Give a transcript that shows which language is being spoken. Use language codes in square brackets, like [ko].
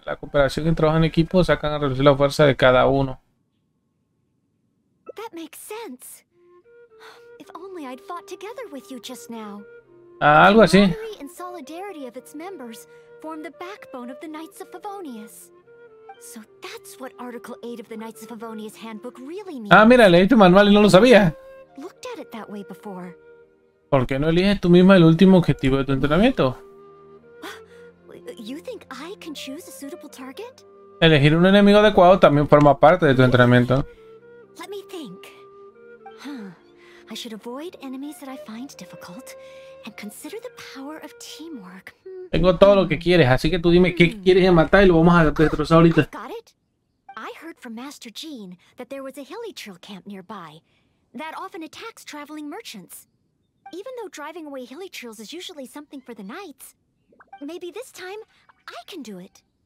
[es] La cooperación y el trabajo en equipo sacan a reducir la fuerza de cada uno. [en] That makes sense. If only I'd fought together with you just now. [es] Algo así. [en] The camaraderie and solidarity of its members form the backbone of the Knights of Favonius. So that's what Article 8 of the Knights of Favonius handbook really means. [es] Ah, mira, leí tu manual y no lo sabía. [en] Looked at it that way before. [es] ¿Por qué no eliges tú misma el último objetivo de tu entrenamiento? [en] You think I can choose a suitable target? [es] Elegir un enemigo adecuado también forma parte de tu entrenamiento. [en] Let me think. Huh. I should avoid enemies that I find difficult and consider the power of teamwork. [es] Tengo todo lo que quieres, así que tú dime qué quieres matar y lo vamos a destrozar ahorita. [en] Got it? I heard from Master Jean that there was a Hillytrill camp nearby that often attacks traveling merchants. Even though driving away Hillytrills is usually something for the knights, maybe this time I can do it.